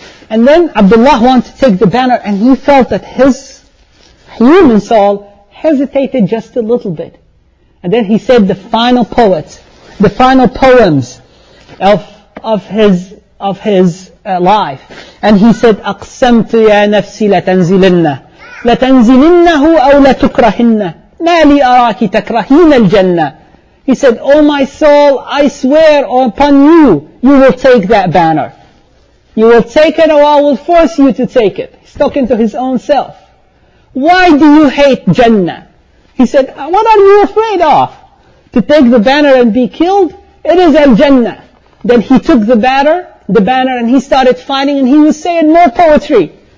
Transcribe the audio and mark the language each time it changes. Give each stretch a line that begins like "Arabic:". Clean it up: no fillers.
English: And then Abdullah wanted to take the banner and he felt that his human soul hesitated just a little bit. And then he said the final poets, the final poems of his life. And he said,
Arabic: أَقْسَمْتُ يَا نَفْسِ لَتَنْزِلِنَّ لَتَنْزِلِنَّهُ أَوْ لَتُكْرَهِنَّ مَا لِي أَرَاكِ تَكْرَهِينَ الْجَنَّةِ.
English: He said, O my soul, I swear upon you, you will take that banner. You will take it or I will force you to take it. He's talking to his own self. Why do you hate Jannah? He said, what are you afraid of? To take the banner and be killed? It is Al-Jannah. Then he took the banner and he started fighting and he was saying more poetry.